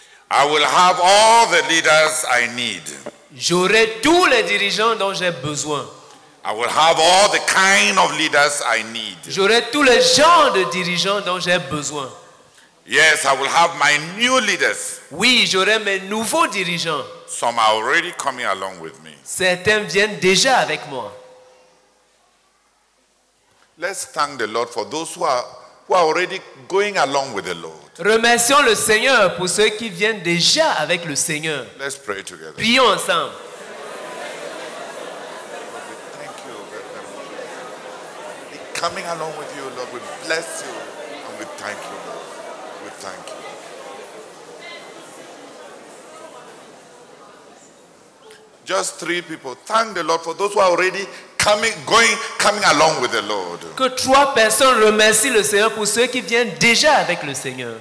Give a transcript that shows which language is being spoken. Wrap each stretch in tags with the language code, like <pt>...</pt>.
<en>I will have all the leaders I need.</en> <fr>J'aurai tous les dirigeants dont j'ai besoin.</fr> <en>I will have all the kind of leaders I need.</en> <fr>J'aurai tous les genres de dirigeants dont j'ai besoin.</fr> <en>Yes, I will have my new leaders.</en> <fr>Oui, j'aurai mes nouveaux dirigeants.</fr> <en>Some are already coming along with me.</en> <fr>Certains viennent déjà avec moi.</fr> <en>Let's thank the Lord for those who are already going along with the Lord.</en> <fr>Remercions le Seigneur pour ceux qui viennent déjà avec le Seigneur.</fr> <en>Let's pray together.</en> <fr>Prions ensemble.</fr> <en>Thank you very much. Be coming along with you, Lord, we bless you and we thank you, Lord. We thank you. Just three people. Thank the Lord for those who are already coming along with the Lord.</en> <fr>Que trois personnes remercient le Seigneur pour ceux qui viennent déjà avec le Seigneur.</fr>